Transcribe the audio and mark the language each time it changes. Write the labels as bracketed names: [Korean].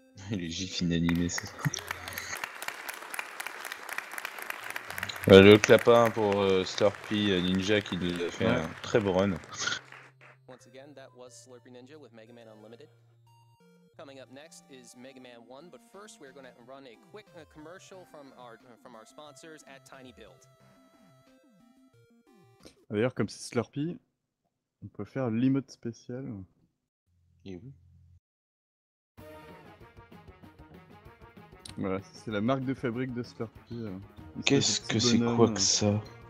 [French] Les gifs inanimés, c'est ça. Voilà, le clapin pour Slurpy Ninja qui nous a fait un très beau run. [English] Once again, that was Slurpy Ninja with Mega Man Unlimited. Coming up next is Mega Man 1, but first we're going to run a quick commercial from our sponsors at Tiny Build. [French] D'ailleurs, comme c'est Slurpy, on peut faire l'emote spécial. Et oui. Voilà, c'est la marque de fabrique de Slurpy. Qu'est-ce que c'est quoi que ça?